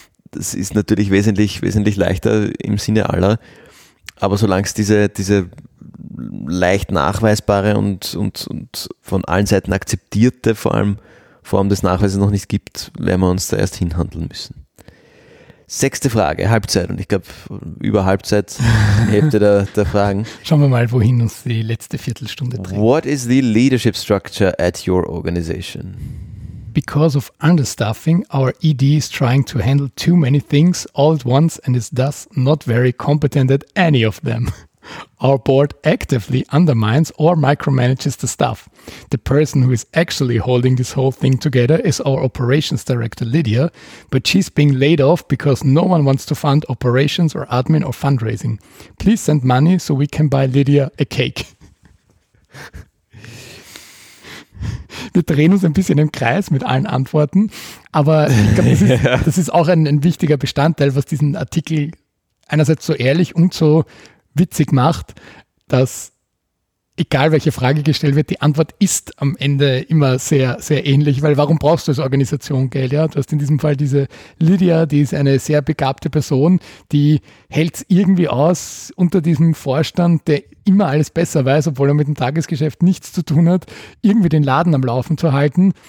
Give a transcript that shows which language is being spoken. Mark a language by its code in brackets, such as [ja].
[de] Das ist natürlich wesentlich, wesentlich leichter im Sinne aller, aber solange es diese leicht nachweisbare und von allen Seiten akzeptierte, vor allem Form des Nachweises noch nicht gibt, werden wir uns da erst hinhandeln müssen. Sechste Frage, Halbzeit, und ich glaube über Halbzeit, Hälfte der Fragen. Schauen wir mal, wohin uns die letzte Viertelstunde trägt. [en] What is the leadership structure at your organization? Because of understaffing, our ED is trying to handle too many things all at once and is thus not very competent at any of them. Our board actively undermines or micromanages the staff. The person who is actually holding this whole thing together is our operations director, Lydia, but she's being laid off because no one wants to fund operations or admin or fundraising. Please send money so we can buy Lydia a cake. [de] Wir drehen uns ein bisschen im Kreis mit allen Antworten, aber ich glaube, das ist auch ein wichtiger Bestandteil, was diesen Artikel einerseits so ehrlich und so witzig macht, dass egal welche Frage gestellt wird, die Antwort ist am Ende immer sehr, sehr ähnlich, weil warum brauchst du als Organisation Geld? Ja, du hast in diesem Fall diese Lydia, die ist eine sehr begabte Person, die hält es irgendwie aus unter diesem Vorstand, der immer alles besser weiß, obwohl er mit dem Tagesgeschäft nichts zu tun hat, irgendwie den Laden am Laufen zu halten.